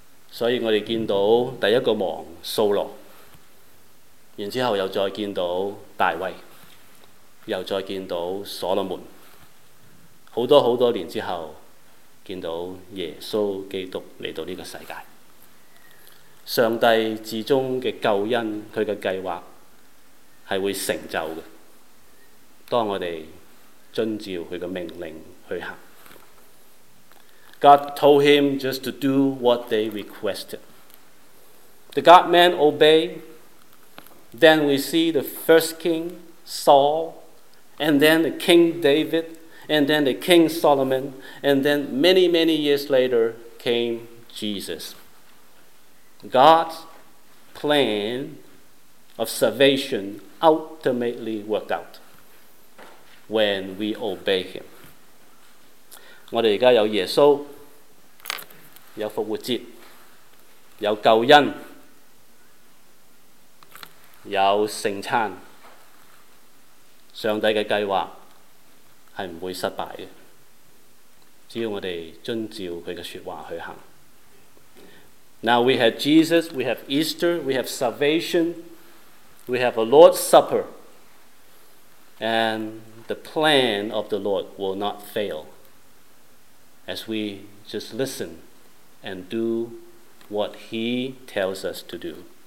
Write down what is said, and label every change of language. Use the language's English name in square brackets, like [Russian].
[Chinese] 所以我们看到第一个王扫罗，然后又再看到大卫，又再看到所罗门，很多很多年之后看到耶稣基督来到这个世界。上帝至终的救恩，他的计划是会成就的，当我们遵照他的命令去行。 [English] God told him just to do what they requested. The God-man obeyed. Then we see the first king, Saul, and then the king David, and then the king Solomon, and then many, many years later came Jesus. God's plan of salvation ultimately worked out when we obey him. [Chinese] 我们现在有耶稣，有复活节，有救恩，有圣餐，上帝的计划是不会失败的，只要我们遵照他的说话去行。 [English] Now we have Jesus, we have Easter, we have salvation, we have a Lord's Supper, and the plan of the Lord will not fail as we just listenand do what he tells us to do.